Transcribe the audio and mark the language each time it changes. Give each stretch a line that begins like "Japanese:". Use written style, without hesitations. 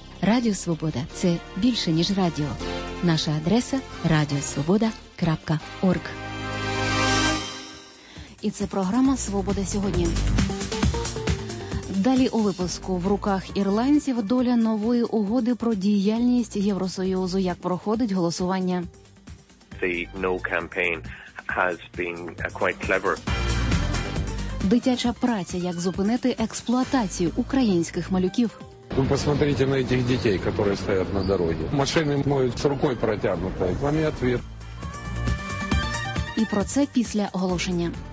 Ukrainian: Радіо Свобода – це більше, ніж радіо. Наша адреса – radiosvoboda.org. І це програма «Свобода сьогодні». Далі у випуску. В руках ірландців доля нової угоди про діяльність Євросоюзу. Як проходить голосування?
English: The no campaign has been quite clever.
Ukrainian: Дитяча праця. Як зупинити експлуатацію українських малюків? Ви посмотрите на цих дітей, які стоять на дорозі. Машини моють з рукою протягнутою. Вам і відповідь. І про це після оголошення.